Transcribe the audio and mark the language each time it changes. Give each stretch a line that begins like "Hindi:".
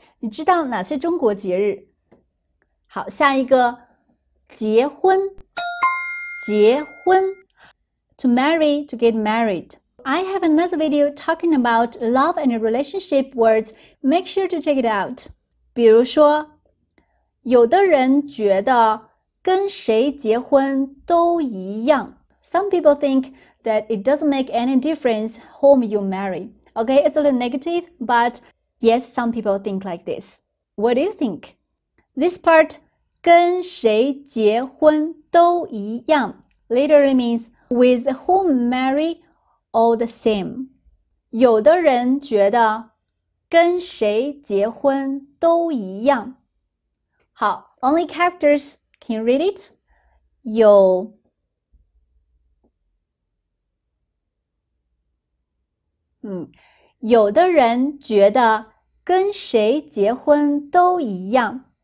Chinese: 你知道哪些中国节日好下一个结婚结婚
English: To marry, to get married. I have another video talking about love and relationship words. Make sure to check it out.
Chinese: 比如说有的人觉得跟谁结婚都一样
English: Some people thinkthat it doesn't make any difference whom you marry. Okay, it's a little negative, but yes, some people think like this. What do you think? This part,
Chinese: 跟谁结婚都一样,
English: literally means with whom marry all the same.
Chinese: 有的人觉得跟谁结婚都一样。
English: 好, only characters, can you read it?
Chinese: 有有的人觉得跟谁结婚都一样。